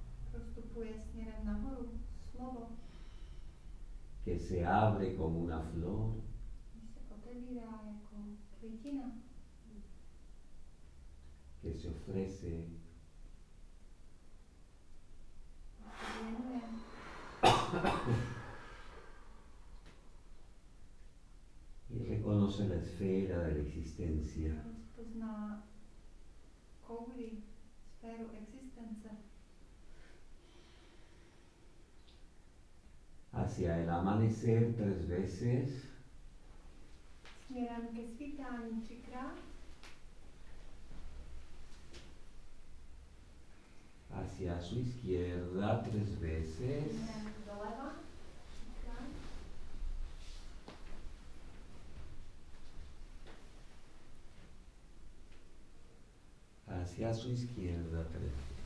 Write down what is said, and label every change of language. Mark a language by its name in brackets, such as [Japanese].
[Czech] Prostupuje směrem nahoru slovo. [Spanish] Que se abre como una flor. [Czech] Jako květina, [Spanish] que se ofrece, y reconoce la esfera de la existencia, [Czech] rozpozná kouli, sféru existence, [Spanish] hacia el amanecer tres veces. [Czech] Směrem ke svítání třikrát. [Spanish] Hacia su izquierda tres veces. [Czech] Směrem doleva třikrát. [Spanish] Hacia su izquierda tres veces.